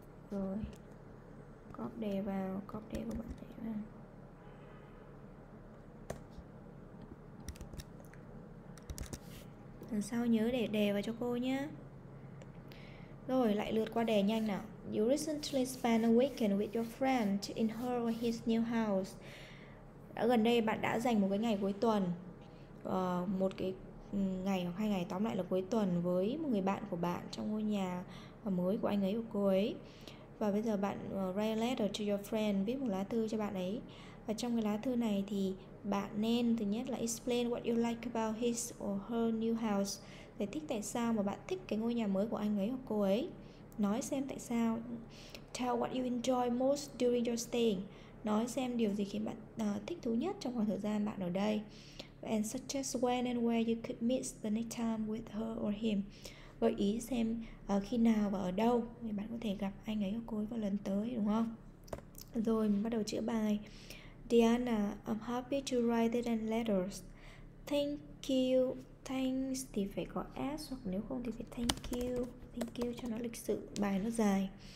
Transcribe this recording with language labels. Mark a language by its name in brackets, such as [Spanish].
[Vietnamese] Rồi. Copy đề vào, copy đề của bạn này vào. Lần sau nhớ để đề vào cho cô nhé. Rồi, lại lượt qua đề nhanh nào. [English] You recently spent a weekend with your friend in her or his new house. [Vietnamese] Đã gần đây bạn đã dành một cái ngày cuối tuần, một cái ngày hoặc hai ngày, tóm lại là cuối tuần với một người bạn của bạn trong ngôi nhà mới của anh ấy, của cô ấy. Và bây giờ bạn [English] write a letter to your friend, [Vietnamese] viết một lá thư cho bạn ấy. Và trong cái lá thư này thì bạn nên thứ nhất là [English] explain what you like about his or her new house. [Vietnamese] Giải thích tại sao mà bạn thích cái ngôi nhà mới của anh ấy hoặc cô ấy. Nói xem tại sao. [English] Tell what you enjoy most during your stay. [Vietnamese] Nói xem điều gì khiến bạn thích thú nhất trong khoảng thời gian bạn ở đây. [English] And suggest when and where you could meet the next time with her or him. [Vietnamese] Gợi ý xem khi nào và ở đâu thì bạn có thể gặp anh ấy hoặc cô ấy vào lần tới, đúng không? Rồi, mình bắt đầu chữa bài. [English] Diana, I'm happy to write it in letters. Thank you. [Vietnamese] Thanks thì phải có S, hoặc nếu không thì phải thank you. Thank you cho nó lịch sự, bài nó dài.